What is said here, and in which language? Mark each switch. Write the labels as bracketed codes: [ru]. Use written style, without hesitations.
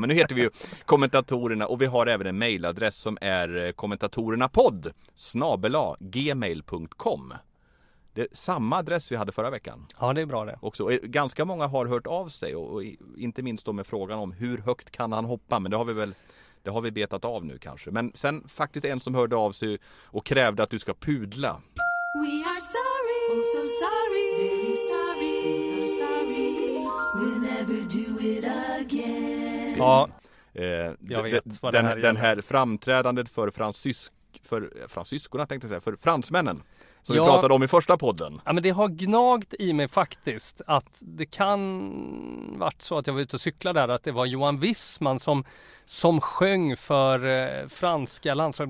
[sv] Men nu heter vi ju kommentatorerna. Och vi har även en mejladress som är kommentatorernapodd@gmail.com. Det är samma adress vi hade förra veckan. Ja, det är bra det. Också. Ganska många har hört av sig, och inte minst då med frågan om hur högt kan han hoppa. Men det har vi betat av nu kanske. Men sen faktiskt en som hörde av sig och krävde att du ska pudla. [en] We are sorry, oh so sorry, sorry, sorry, we'll never do it again. [sv] Ja, jag vet vad den, här, den här framträdandet för fransmännen. Som vi pratade om i första podden. Ja, men det har gnagt i mig faktiskt, att det kan varit så att jag var ute och cyklade där, att det var Johan Wissman som sjöng för franska landslaget.